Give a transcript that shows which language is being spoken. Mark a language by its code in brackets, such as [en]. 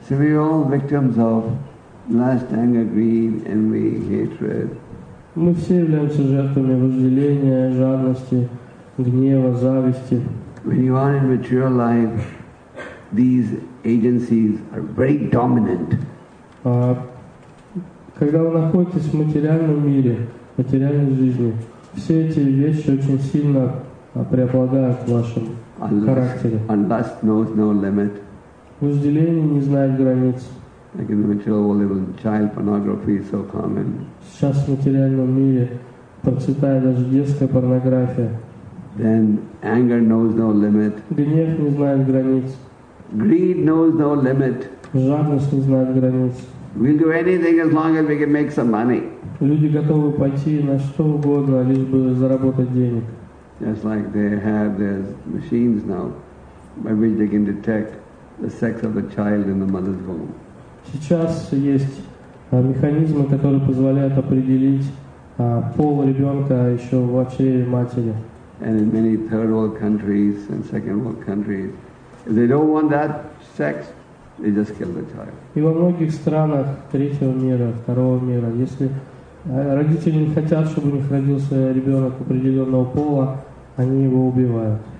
[en] So we are all victims of lust, anger, greed, envy, hatred. [ru] Мы все являемся жертвами вожделения, жадности, гнева, зависти. [en] When you are in material life, these agencies are very dominant. [ru] Когда вы находитесь в материальном мире, в материальной жизни, все эти вещи очень сильно преобладают в вашем характере. [en] And lust knows no limit. [ru] Вожделение не знает границ. [en] Like in the material world, even child pornography is so common. [ru] Сейчас в материальном мире процветает даже детская порнография. [en] then anger knows no limit. [ru] Гнев не знает границ. [en] Greed knows no limit. [ru] Жадность не знает границ. [en] We'll do anything as long as we can make some money. [ru] Люди готовы пойти на что угодно, лишь бы заработать денег. [en] Just like they have their machines now, by which they can detect the sex of the child in the mother's womb. [ru] Сейчас есть механизмы, которые позволяют определить пол ребенка еще в чреве матери. [en] And in many third world countries and second world countries, if they don't want that sex, they just kill the child. [ru] И во многих странах третьего мира, второго мира, если родители не хотят, чтобы у них родился ребенок определенного пола, они его убивают.